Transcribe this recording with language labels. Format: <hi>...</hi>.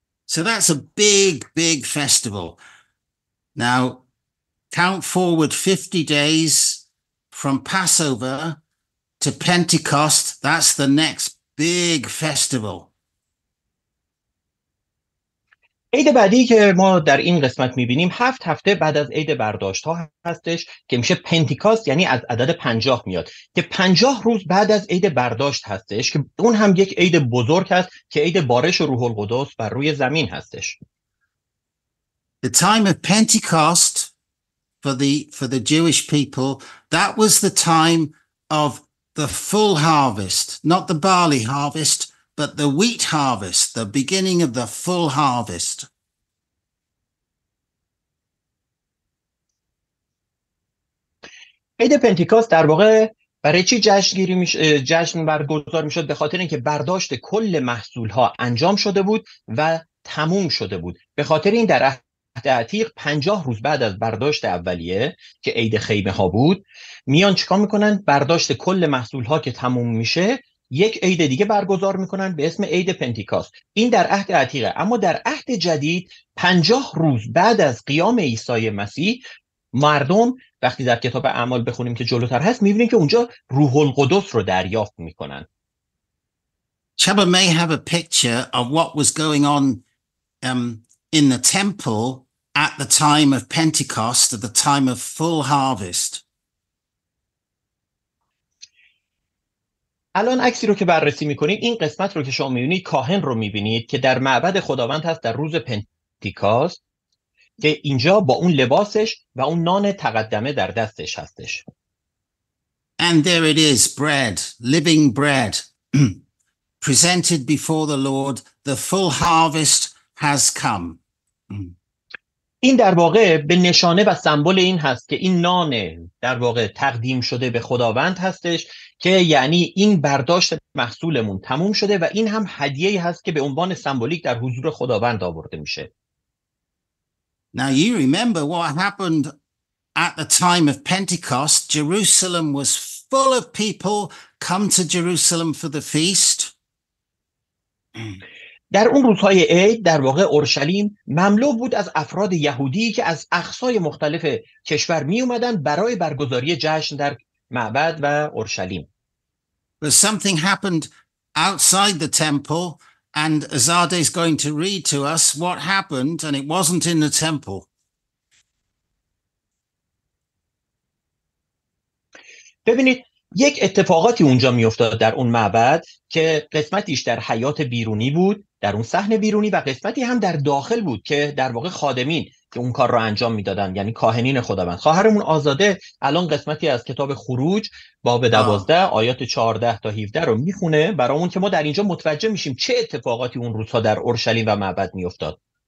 <en>So that's a big, big festival. Now, count forward 50 days from Passover to Pentecost. That's the next big festival.</en> <fa>عید بعدی که ما در این قسمت میبینیم 7 هفته بعد از عید برداشت ها هستش که میشه پنتیکاست، یعنی از عدد 50 میاد که 50 روز بعد از عید برداشت هستش که اون هم یک عید بزرگ هست که عید بارش روح القدس بر روی زمین هستش.</fa> <en>The time of Pentecost for the Jewish people, that was the time of the full harvest, not the barley harvest but the wheat harvest, the beginning of the full harvest.</en> <fa>عید پنتیکاست در واقع برای چی جشن برگزار میشد؟ به خاطر اینکه برداشت کل محصول ها انجام شده بود و تموم شده بود. به خاطر این در عهد عتیق 50 روز بعد از برداشت اولیه که عید خیمه ها بود، میان چیکار میکنن؟ برداشت کل محصول ها که تموم میشه، یک عید دیگه برگزار میکنن به اسم عید پنتیکاست. این در عهد عتیقه، اما در عهد جدید 50 روز بعد از قیام عیسی مسیح، مردم وقتی در کتاب اعمال بخونیم که جلوتر هست، میبینیم که اونجا روح القدس رو دریافت میکنن.</fa> <en>Chaba may have a picture of what was going on in the temple at the time of Pentecost, at the time of full harvest.</en> <fa>الان عکسی رو که بررسی میکنید، این قسمت رو که شما میبینید، کاهن رو میبینید که در معبد خداوند هست در روز پنتیکاست که اینجا با اون لباسش و اون نان تقدمه در دستش هستش.</fa> <en>And there it is, bread, living bread, presented before the Lord, the full harvest has come.</en> <fa>این در واقع به نشانه و سمبل این هست که این نان در واقع تقدیم شده به خداوند هستش که یعنی این برداشت محصولمون تموم شده و این هم هدیه‌ای هست که به عنوان سمبولیک در حضور خداوند آورده میشه.</fa> <en>Now you remember what happened at the time of Pentecost. Jerusalem was full of people come to Jerusalem for the feast.</en> <fa>در اون روزهای عید در واقع اورشلیم مملو بود از افراد یهودی که از اقصای مختلف کشور می اومدن برای برگزاری جشن در معبد و اورشلیم.</fa> <en>But something happened outside the temple, and Azadeh is going to read to us what happened, and it wasn't in the temple.</en> <fa>ببینید یک اتفاقاتی اونجا می افتاد در اون معبد که قسمتیش در حیات بیرونی بود، در اون صحن بیرونی، و قسمتی هم در داخل بود که در واقع خادمین که اون کار رو انجام میدادن، یعنی کاهنین خداوند. خواهرمون آزاده الان قسمتی از کتاب خروج باب 12 آیات 14 تا 17 رو میخونه برامون که ما در اینجا متوجه میشیم چه اتفاقاتی اون روزها در اورشلیم و معبد میافتاد.</fa>